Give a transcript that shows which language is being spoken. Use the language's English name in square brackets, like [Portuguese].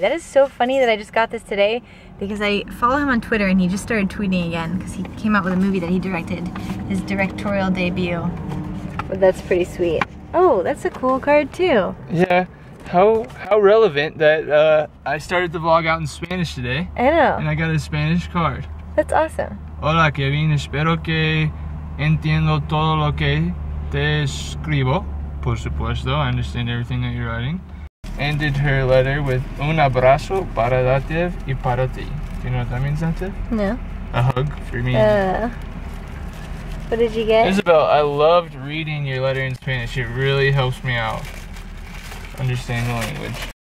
[English] That is so funny that I just got this today because I follow him on Twitter and he just started tweeting again because he came out with a movie that he directed, his directorial debut. But that's pretty sweet. Oh, that's a cool card too. Yeah, how relevant that I started the vlog out in Spanish today. I know. And I got a Spanish card. That's awesome. [Spanish] Hola, Kevin. Espero que entiendo todo lo que te escribo. Por supuesto, [English] I understand everything that you're writing. Ended her letter with [Spanish] un abrazo para Dativ y para ti. [English] Do you know what that means, Dativ? No. A hug for me. What did you get? Isabel, I loved reading your letter in Spanish. It really helps me out. Understand the language.